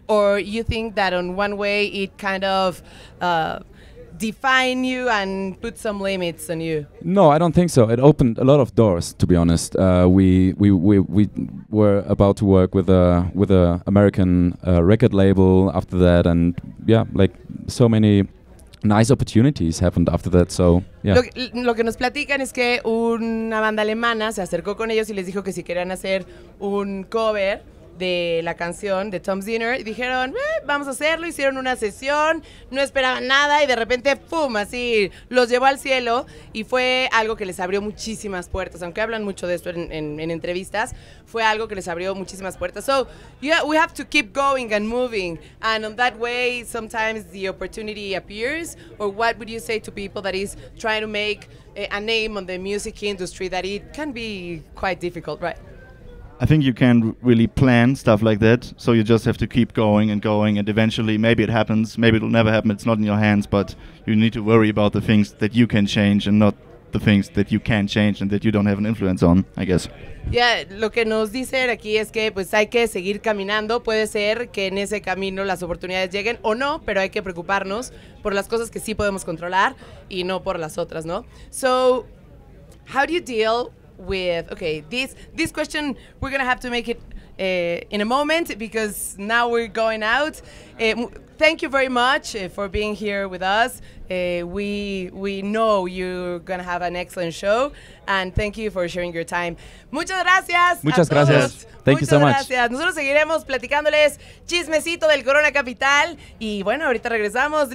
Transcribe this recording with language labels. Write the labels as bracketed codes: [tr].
[en] Or you think that on one way it kind of define you and put some limits on you? No, I don't think so. It opened a lot of doors, to be honest. We were about to work with a American record label after that, and yeah, like so many nice opportunities happened after that. So yeah. [es] Lo que nos platican es que una banda alemana se acercó con ellos y les dijo que si querían hacer un cover de la canción de Tom's Dinner, y dijeron, vamos a hacerlo. Hicieron una sesión, no esperaban nada, y de repente, ¡pum!, así los llevó al cielo, y fue algo que les abrió muchísimas puertas. Aunque hablan mucho de esto en entrevistas, fue algo que les abrió muchísimas puertas. [en] So, yeah, we have to keep going and moving, and on that way, sometimes the opportunity appears. Or what would you say to people that is trying to make a name on the music industry, that it can be quite difficult, right? I think you can't really plan stuff like that, so you just have to keep going and going, and eventually maybe it happens, maybe it'll never happen, it's not in your hands, but you need to worry about the things that you can change and not the things that you can't change and that you don't have an influence on, I guess. [es] Yeah, lo que nos dice aquí es que pues hay que seguir caminando, puede ser que en ese camino las oportunidades lleguen o no, pero hay que preocuparnos por las cosas que sí podemos controlar y no por las otras, ¿no? [en] So, how do you deal with, okay, this question, we're gonna have to make it in a moment, because now we're going out. Thank you very much for being here with us. We know you're gonna have an excellent show, and thank you for sharing your time. [es] Muchas gracias. Muchas gracias. [en] Thank you so much. [es] Muchas gracias. Nosotros seguiremos platicándoles chismecito del Corona Capital, y bueno, ahorita regresamos.